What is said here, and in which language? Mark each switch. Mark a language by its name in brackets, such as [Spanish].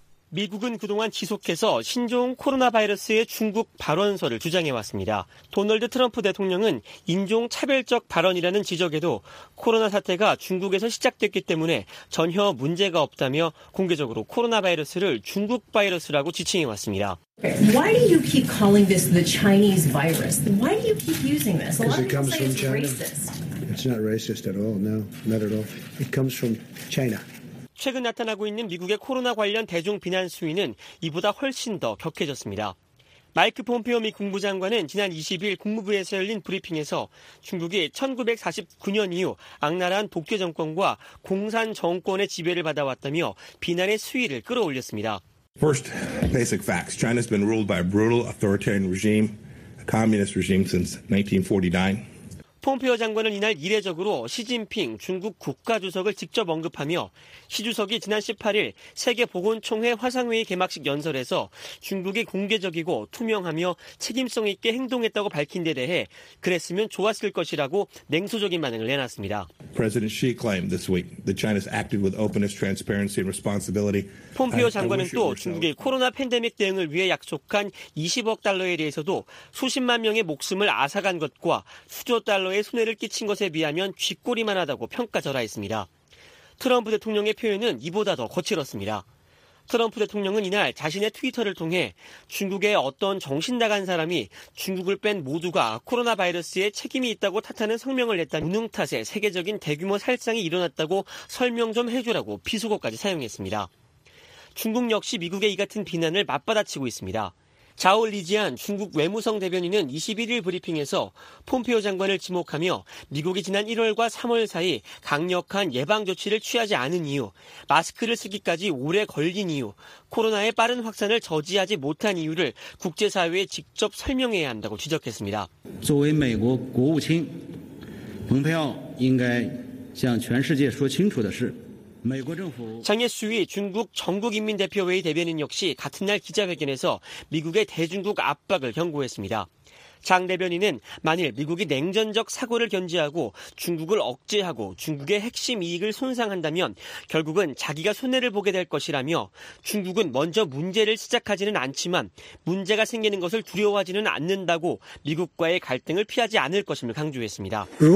[Korean] 미국은 그동안 지속해서 신종 코로나 바이러스의 중국 발언설을 주장해왔습니다. 도널드 트럼프 대통령은 인종차별적 발언이라는 지적에도 코로나 사태가 중국에서 시작됐기 때문에 전혀 문제가 없다며 공개적으로 코로나 바이러스를 중국 바이러스라고 지칭해왔습니다. [English] Why do you keep calling this the Chinese virus? Why do you keep using this? Because it comes from China. It's not racist at all, no, not at all. It comes from China. [Korean] 최근 나타나고 있는 미국의 코로나 관련 대중 비난 수위는 이보다 훨씬 더 격해졌습니다. 마이크 폼페오 미 국무장관은 지난 20일 국무부에서 열린 브리핑에서 중국이 1949년 이후 악랄한 독재 정권과 공산 정권의 지배를 받아왔다며 비난의 수위를 끌어올렸습니다. [English] First basic facts. China's been ruled by a brutal authoritarian regime, a communist regime since 1949. [Korean] 폼페오 장관은 이날 이례적으로 시진핑 중국 국가주석을 직접 언급하며 시 주석이 지난 18일 세계보건총회 화상회의 개막식 연설에서 중국이 공개적이고 투명하며 책임성 있게 행동했다고 밝힌 데 대해 그랬으면 좋았을 것이라고 냉소적인 반응을 내놨습니다. [English] President Xi claimed this week that China's acted with openness, transparency and responsibility. [Korean] 폼페오 장관은 또 중국의 코로나 팬데믹 대응을 위해 약속한 20억 달러에 대해서도 수십만 명의 목숨을 앗아간 것과 수조 달러 의 손해를 끼친 것에 비하면 쥐꼬리만하다고 평가절하했습니다. 트럼프 대통령의 표현은 이보다 더 거칠었습니다. 트럼프 대통령은 이날 자신의 트위터를 통해 중국의 어떤 정신 나간 사람이 중국을 뺀 모두가 코로나 바이러스에 책임이 있다고 탓하는 성명을 냈다. 무능 탓에 세계적인 대규모 살상이 일어났다고 설명 좀 해주라고 비속어까지 사용했습니다. 중국 역시 미국의 이 같은 비난을 맞받아치고 있습니다. 자오 리지안 중국 외무성 대변인은 21일 브리핑에서 폼페오 장관을 지목하며 미국이 지난 1월과 3월 사이 강력한 예방 조치를 취하지 않은 이유, 마스크를 쓰기까지 오래 걸린 이유, 코로나의 빠른 확산을 저지하지 못한 이유를 국제사회에 직접 설명해야 한다고 지적했습니다. [Chinese] 作为美国国务卿, 蓬佩奥应该向全世界说清楚的是, [Korean] 장예수위 중국 전국인민대표회의 대변인 역시 같은 날 기자회견에서 미국의 대중국 압박을 경고했습니다. 장 대변인은 만일 미국이 냉전적 사고를 견지하고 중국을 억제하고 중국의 핵심 이익을 손상한다면 결국은 자기가 손해를 보게 될 것이라며 중국은 먼저 문제를 시작하지는 않지만 문제가 생기는 것을 두려워하지는 않는다고 미국과의 갈등을 피하지 않을 것임을 강조했습니다.